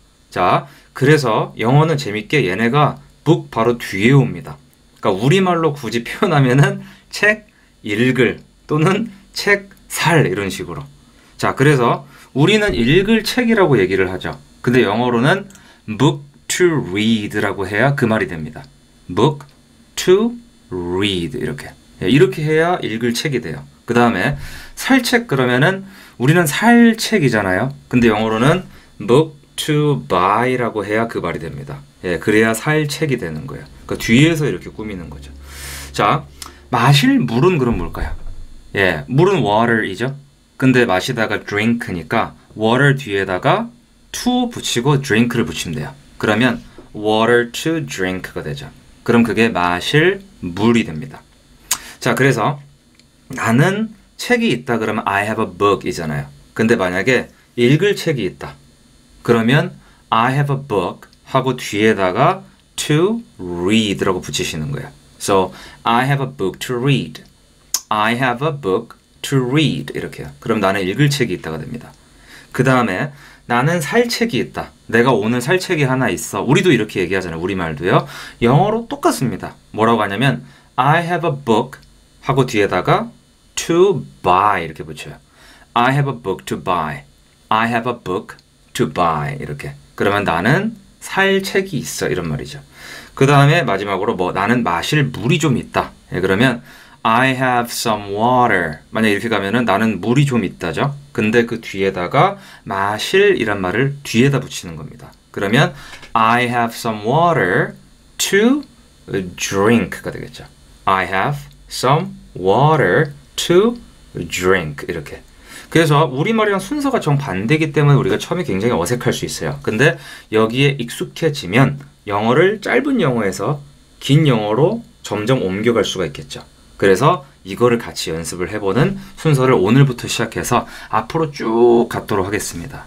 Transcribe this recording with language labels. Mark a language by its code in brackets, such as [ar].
[ko] 자, 그래서 영어는 재밌게 얘네가 book 바로 뒤에 옵니다. 그러니까 우리말로 굳이 표현하면은 책 읽을 또는 책 살 이런 식으로. 자, 그래서 우리는 읽을 책이라고 얘기를 하죠. 근데 영어로는 book to read라고 해야 그 말이 됩니다. book to read 이렇게. 이렇게 해야 읽을 책이 돼요. 그 다음에 살책 그러면은 우리는 살책이잖아요. 근데 영어로는 book to buy라고 해야 그 말이 됩니다. 예, 그래야 살책이 되는 거예요. 그 그러니까 뒤에서 이렇게 꾸미는 거죠. 자, 마실 물은 그럼 뭘까요? 예, 물은 water이죠. 근데 마시다가 drink니까 water 뒤에다가 to 붙이고 drink를 붙이면 돼요. 그러면 water to drink가 되죠. 그럼 그게 마실 물이 됩니다. 자, 그래서 나는 책이 있다 그러면 I have a book 이잖아요. 근데 만약에 읽을 책이 있다 그러면 I have a book 하고 뒤에다가 to read 라고 붙이시는 거예요. [en] So I have a book to read. I have a book to read [ko] 이렇게요. 그럼 나는 읽을 책이 있다가 됩니다. 그 다음에 나는 살 책이 있다. 내가 오늘 살 책이 하나 있어. 우리도 이렇게 얘기하잖아요. 우리말도요. 영어로 똑같습니다. 뭐라고 하냐면 I have a book 하고 뒤에다가 to buy 이렇게 붙여요. [en] I have a book to buy. I have a book to buy [ko] 이렇게. 그러면 나는 살 책이 있어 이런 말이죠. 그 다음에 마지막으로 뭐 나는 마실 물이 좀 있다. 예, 그러면 [en] I have some water. [ko] 만약 이렇게 가면은 나는 물이 좀 있다죠. 근데 그 뒤에다가 마실이란 말을 뒤에다 붙이는 겁니다. 그러면 [en] I have some water to drink가 [ko] 되겠죠. [en] I have some water to drink [ko] 이렇게. 그래서 우리말이랑 순서가 정반대이기 때문에 우리가 처음에 굉장히 어색할 수 있어요. 근데 여기에 익숙해지면 영어를 짧은 영어에서 긴 영어로 점점 옮겨갈 수가 있겠죠. 그래서 이거를 같이 연습을 해보는 순서를 오늘부터 시작해서 앞으로 쭉 갖도록 하겠습니다.